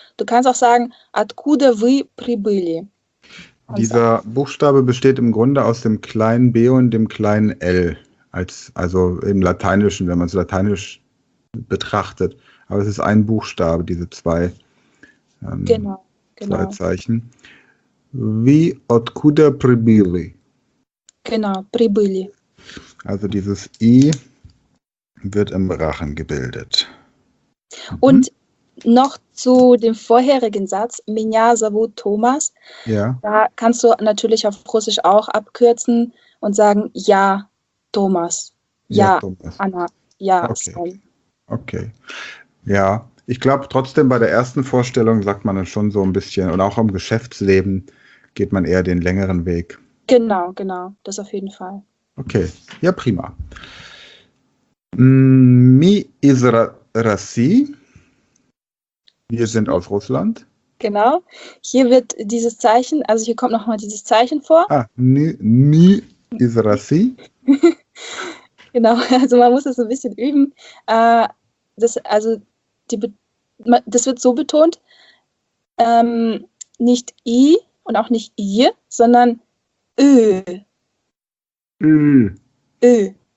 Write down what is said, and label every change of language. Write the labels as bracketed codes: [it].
[de] Du kannst auch sagen, [ru] откуда вы прибыли? [de] Und so. Dieser Buchstabe besteht im Grunde aus dem kleinen b und dem kleinen l, also im Lateinischen, wenn man es lateinisch betrachtet. Aber es ist ein Buchstabe, diese zwei, genau. zwei Zeichen. Wie [ru] откуда прибыли? [de] Genau, прибыли. Also dieses I wird im Rachen gebildet. Mhm. Und noch zu dem vorherigen Satz, [ru] меня зовут [de] Thomas. Ja. Da kannst du natürlich auf Russisch auch abkürzen und sagen, ja, Thomas. Ja, ja Thomas. Anna. Ja, okay. Okay. Ja, ich glaube trotzdem bei der ersten Vorstellung sagt man dann schon so ein bisschen, und auch im Geschäftsleben geht man eher den längeren Weg. Genau, genau, das auf jeden Fall. Okay, ja prima. [ru] Мы из России. [de] Wir sind aus Russland. Genau, hier wird dieses Zeichen, also hier kommt nochmal dieses Zeichen vor. Ah, [ru] мы из России. [de] Genau, also man muss das ein bisschen üben. Das wird so betont, nicht I und auch nicht ihr, sondern Ö. Ö. Ö. Ö.